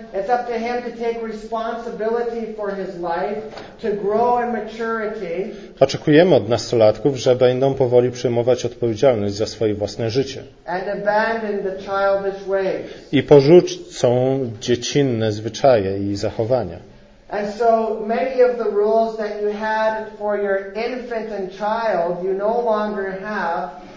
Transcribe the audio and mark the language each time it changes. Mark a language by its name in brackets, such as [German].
[English] It's up to him to take responsibility for his life, to grow in maturity. [Polish] Oczekujemy od nastolatków, że będą powoli przyjmować odpowiedzialność za swoje własne życie. [English] And abandon the childish ways. [Polish] I porzucą dziecinne zwyczaje i zachowania. [English] And so many of the rules that you had for your infant and child, you no longer have.